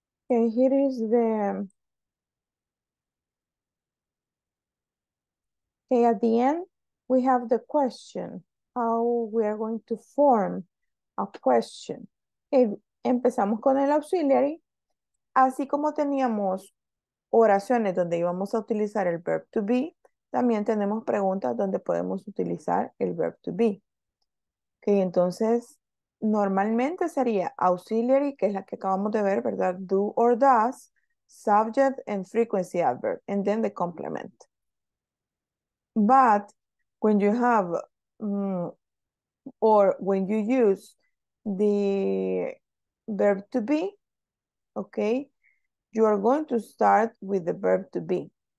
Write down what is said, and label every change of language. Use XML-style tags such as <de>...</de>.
<en>Okay, here is the okay, at the end we have the question how we are going to form a question.</en> <es>Okay, empezamos con el auxiliary, así como teníamos oraciones donde íbamos a utilizar el verb to be. También tenemos preguntas donde podemos utilizar el verb to be. Okay, entonces, normalmente sería auxiliary, que es la que acabamos de ver, ¿verdad?</es> <en>Do or does, subject and frequency adverb, and then the complement. But when you have, or when you use the verb to be, okay, you are going to start with the verb to be.</en>